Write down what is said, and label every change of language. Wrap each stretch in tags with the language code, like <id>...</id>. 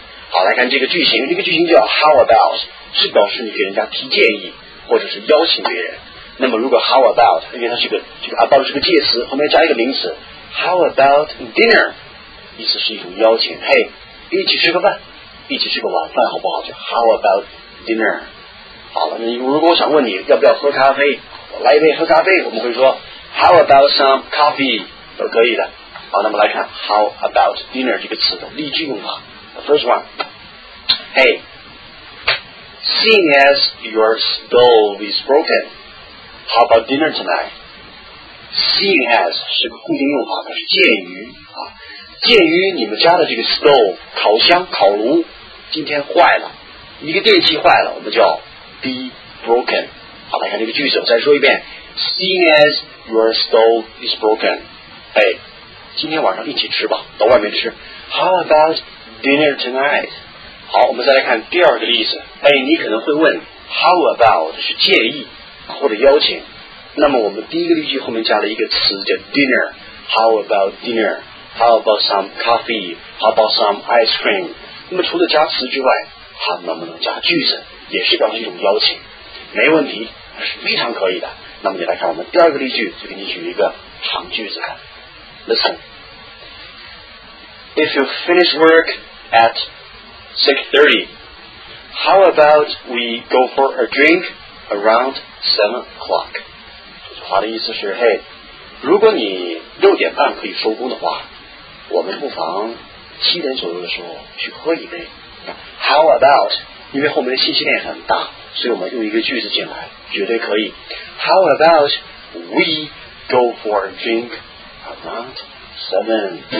<zh>好，来看这个句型，这个句型叫 How about 是表示你给人家提建议或者是邀请别人。那么如果 How about 因为它是个 about 是个介词，后面加一个名词</zh> <en>How about dinner</en> <zh>意思是一种邀请，嘿，一起吃个饭，一起吃个晚饭好不好？就 How about dinner 好了，你如果想问你要不要喝咖啡，我来一杯喝咖啡，我们会说</zh> <en>How about some coffee</en> <zh>都可以的。好，那么来看</zh> <en>How about dinner</en> <zh>这个词的例句用法。</zh> <en>First one。 Hey, seeing as your skull is broken, how about dinner tonight? Seeing as</en> <zh>是空间用法，它是鉴于啊，鉴于你们家的这个 stove 烤箱烤炉今天坏了，一个电器坏了，我们叫</zh> <en>be broken。</en> <zh>好，来看这个句子，再说一遍 ，</zh> <en>Seeing as your stove is broken，</en> <zh>哎，今天晚上一起吃吧，到外面吃。</zh> <en>How about dinner tonight？</en> <zh>好，我们再来看第二个例子。哎，你可能会问 ，</zh> <en>How about</en> <zh>是建议或者邀请。那么我们第一个例句后面加了一个词叫 dinner，</zh> <en>how about dinner， how about some coffee， how about some ice cream。</en> <zh>那么除了加词之外，还能不能加句子，也是表示一种邀请，没问题，是非常可以的。那么你来看我们第二个例句，就给你举一个长句子看。</zh> <en>Listen， If you finish work at 6:30， how about we go for a drink around 7 o'clock。</en> <zh>话的意思是，嘿，如果你6:30可以收工的话，我们不妨7:00左右的时候去喝一杯。</zh> <en>How about？</en> <zh>因为后面的信息链很大，所以我们用一个句子进来，绝对可以。</zh> <en>How about we go for a drink around 7:00？</en>